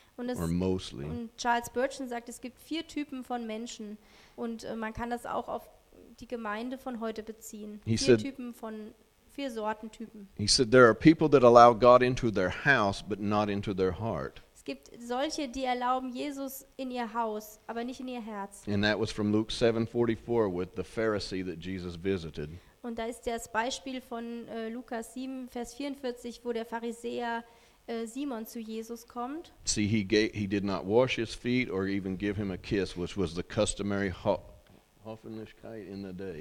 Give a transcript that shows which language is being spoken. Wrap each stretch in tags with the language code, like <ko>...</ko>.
<en>or mostly.</en> <de>Und Charles Burchin sagt, es gibt vier Typen von Menschen und man kann das auch auf die Gemeinde von heute beziehen. Vier Sorten Typen.</de> <en>He said there are people that allow God into their house but not into their heart.</en> <de>Es gibt solche, die erlauben Jesus in ihr Haus, aber nicht in ihr Herz.</de> <en>And that was from Luke 7:44 with the Pharisee that Jesus visited.</en> <de>Und da ist das Beispiel von Lukas 7, Vers 44, wo der Pharisäer Simon zu Jesus kommt.</de> <en>See, he did not wash his feet or even give him a kiss, which was the customary Höflichkeit in the day.</en>